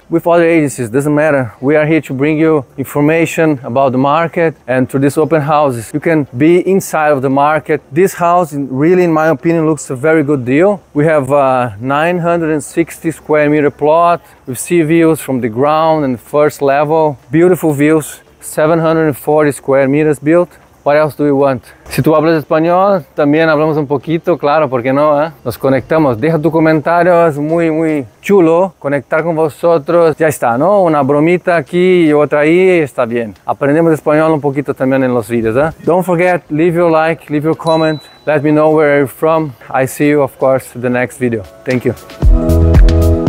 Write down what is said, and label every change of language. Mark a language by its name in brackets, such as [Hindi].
[English] With other agencies, doesn't matter. We are here to bring you information about the market, and through these open houses, you can be inside of the market. This house, really, in my opinion, looks a very good deal. We have a 960 square meter plot with sea views from the ground and first level. Beautiful views, 740 square meters built. What else do we want? [Spanish] Si tú hablas español, también hablamos un poquito, claro, ¿por qué no? Eh? Nos conectamos. Deja tu comentario, es muy, muy chulo conectar con vosotros. Ya está, ¿no? Una bromita aquí y otra ahí, está bien. Aprendemos español un poquito también en los videos. Eh? [English] Don't forget, leave your like, leave your comment. Let me know where you're from. I see you, of course, in the next video. Thank you.